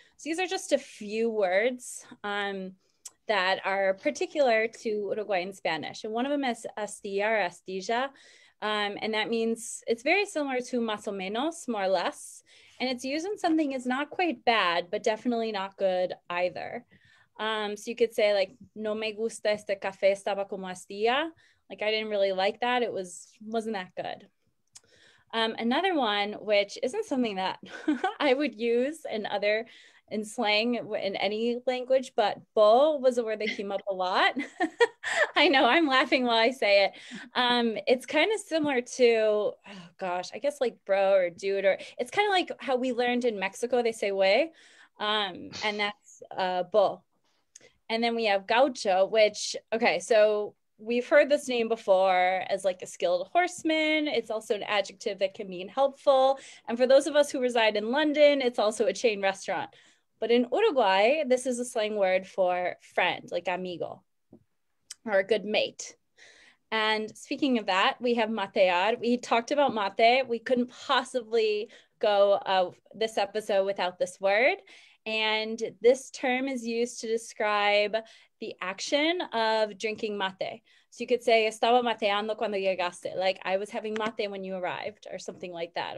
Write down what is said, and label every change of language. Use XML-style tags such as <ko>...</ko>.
<en>So these are just a few words that are particular to Uruguayan Spanish. And one of them is astilla or astilla. And that means it's very similar to</en> <es>más o menos,</es> <en>more or less. And it's used when something is not quite bad, but definitely not good either. So you could say like,</en> <es>no me gusta este café, estaba como astilla.</es> <en>Like, I didn't really like that. It wasn't that good. Another one, which isn't something that I would use in slang in any language, but bo was a word that came up a lot. I know I'm laughing while I say it. It's kind of similar to, I guess like bro or dude, or it's kind of like how we learned in Mexico, they say wey, and that's bo. And then we have gaucho, which, okay, so we've heard this name before as like a skilled horseman. It's also an adjective that can mean helpful. And for those of us who reside in London, it's also a chain restaurant. But in Uruguay, this is a slang word for friend, like amigo, or a good mate. And speaking of that, we have matear. We talked about mate. We couldn't possibly go this episode without this word. And this term is used to describe the action of drinking mate. So you could say,</en> <es>estaba mateando cuando llegaste.</es> <en>Like, I was having mate when you arrived, or something like that.</en>